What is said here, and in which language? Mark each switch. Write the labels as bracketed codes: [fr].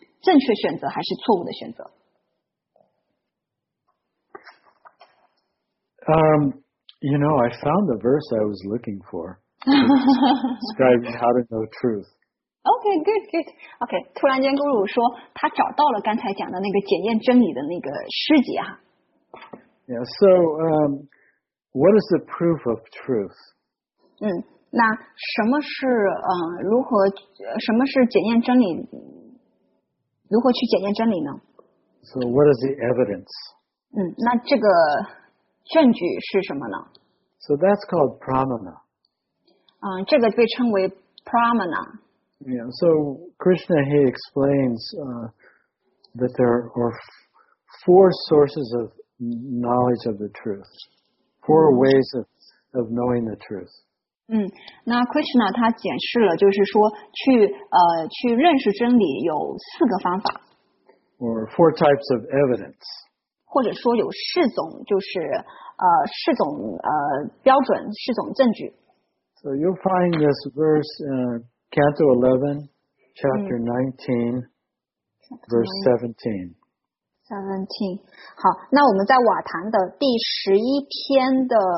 [zh] 正确选择还是错误的选择？ [en] You know, I found the verse I was looking for, describing how to know truth. Okay, good, good. [zh] Okay, 突然间咕噜说他找到了刚才讲的那个检验真理的那个诗集啊。 [en] Yeah, so, what is the proof of truth? [zh] 那什么是如何什么是检验真理，如何去检验真理呢？ [en] So what is the evidence? [zh] 那这个证据是什么呢？ [en] So that's called pramana. [zh] 这个被称为 pramana. [en] Yeah, so Krishna he explains that there are four sources of knowledge of the truth. Four ways of knowing the truth. [zh] 那 Krishna 他解释了，就是说去认识真理有四个方法 [en] ，or four types of evidence， [zh] 或者说有四种，就是四种标准，四种证据。 [en] So you'll find this verse in Canto 11, Chapter 19, Verse 17. [zh] 好，那我们在瓦坛的第十一篇的。